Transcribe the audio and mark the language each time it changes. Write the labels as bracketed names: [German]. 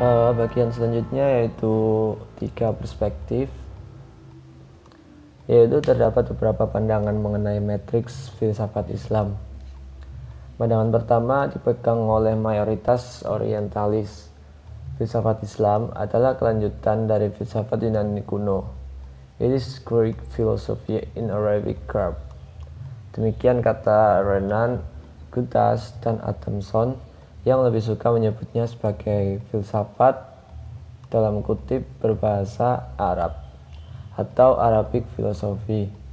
[Indonesian] Bagian selanjutnya yaitu tiga perspektif, yaitu terdapat beberapa pandangan mengenai matriks filsafat Islam. Pandangan pertama dipegang oleh mayoritas orientalis. Filsafat Islam adalah kelanjutan dari filsafat Yunani kuno. [English] It is Greek philosophy in Arabic garb. [Indonesian] Demikian kata Renan, Gutas, dan Adamson, yang lebih suka menyebutnya sebagai filsafat dalam kutip berbahasa Arab. atau Arabic filosofi.